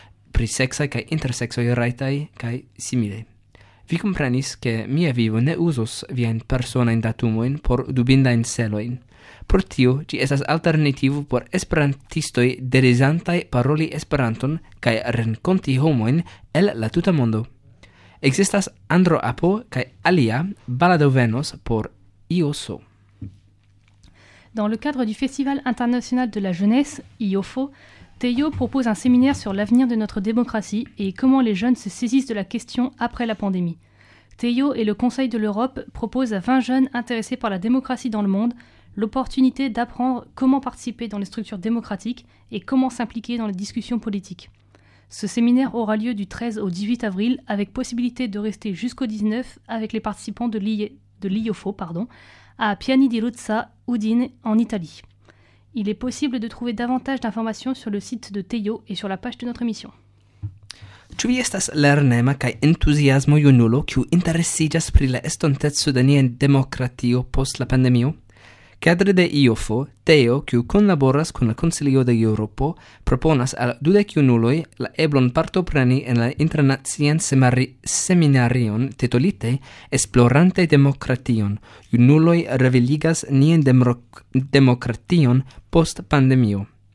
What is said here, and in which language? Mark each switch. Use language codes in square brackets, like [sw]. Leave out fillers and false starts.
[eo] pri sexa kaj intersexoj rajtaj kaj simile. Vi komprenis, ke mia vivo ne uzos viajn personajn datumojn por dubindajn celojn. Pro tio, ĝi estas alternativo por esperantistoj derezantaj paroli Esperanton kaj renkonti homojn el la tuta mondo. Ekzistas Android-apo kaj alia baldaŭ venos por iOS-o. [fr] Dans le cadre du Festival international de la jeunesse, IOFO, Théo propose un séminaire sur l'avenir de notre démocratie et comment les jeunes se saisissent de la question après la pandémie. Théo et le Conseil de l'Europe proposent à 20 jeunes intéressés par la démocratie dans le monde l'opportunité d'apprendre comment participer dans les structures démocratiques et comment s'impliquer dans les discussions politiques. Ce séminaire aura lieu du 13 au 18 avril avec possibilité de rester jusqu'au 19 avec les participants de l'IOFO, à Piani di Ruzza, Udine, en Italie. Il est possible de trouver davantage d'informations sur le site de Théo et sur la page de notre émission. [eo] Ĉu vi estas lernema kaj entuziasmo junulo kiu interesiĝas pri la estonteco de nia demokratio post la pandemio? Kadre de IOFO, Théo, kiu kunlaboras kun la Konsilio de Eŭropo, proponas al 12 junuloj la eblon partopreni en la internacian seminarion titolite "Esplorante demokration: Junuloj reviligas nian demokration post pandemio".